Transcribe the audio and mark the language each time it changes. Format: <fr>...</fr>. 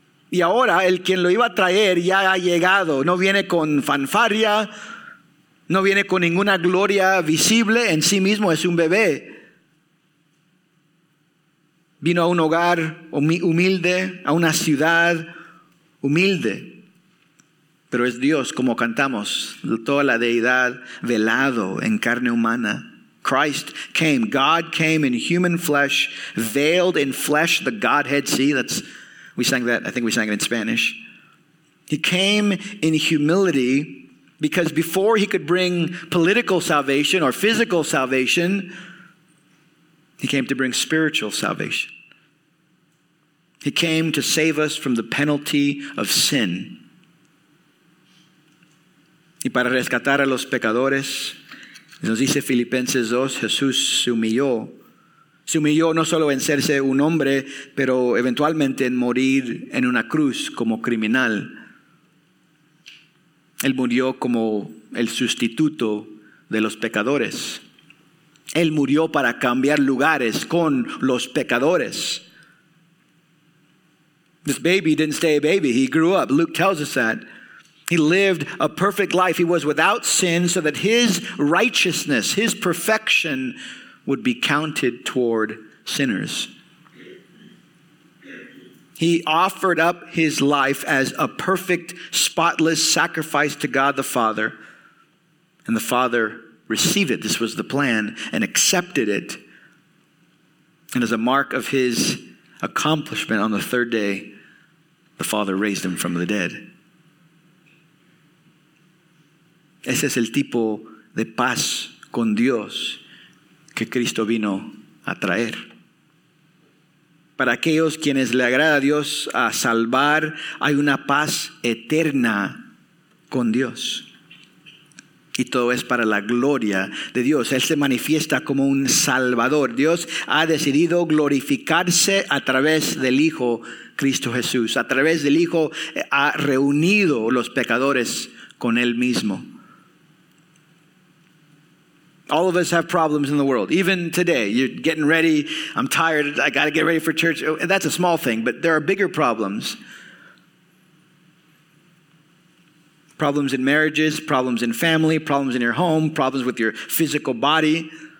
<es>Y ahora el quien lo iba a traer ya ha llegado. No viene con fanfarria, no viene con ninguna gloria visible, en sí mismo es un bebé. Vino a un hogar humilde, a una ciudad humilde. Pero es Dios, como cantamos, toda la deidad velado en carne humana.</es> <en>Christ came, God came in human flesh, veiled in flesh, the Godhead. See, we sang it in Spanish. He came in humility because before he could bring political salvation or physical salvation, he came to bring spiritual salvation. He came to save us from the penalty of sin.</en> <es>Y para rescatar a los pecadores, nos dice Filipenses 2, Jesús se humilló. Se humilló no solo en serse un hombre, pero eventualmente en morir en una cruz como criminal. Él murió como el sustituto de los pecadores. Él murió para cambiar lugares con los pecadores.</es> <en>This baby didn't stay a baby. He grew up. Luke tells us that. He lived a perfect life. He was without sin so that his righteousness, his perfection, would be counted toward sinners. He offered up his life as a perfect, spotless sacrifice to God the Father. And the Father received it. This was the plan, and accepted it. And as a mark of his accomplishment on the third day, the Father raised him from the dead.</en> <es>Ese es el tipo de paz con Dios que Cristo vino a traer. Para aquellos quienes le agrada a Dios a salvar, hay una paz eterna con Dios. Y todo es para la gloria de Dios. Él se manifiesta como un salvador. Dios ha decidido glorificarse a través del Hijo Cristo Jesús. A través del Hijo ha reunido los pecadores con Él mismo.</es> <en>All of us have problems in the world. Even today, you're getting ready. I'm tired. I got to get ready for church. That's a small thing, but there are bigger problems. Problems in marriages, problems in family, problems in your home, problems with your physical body.</en>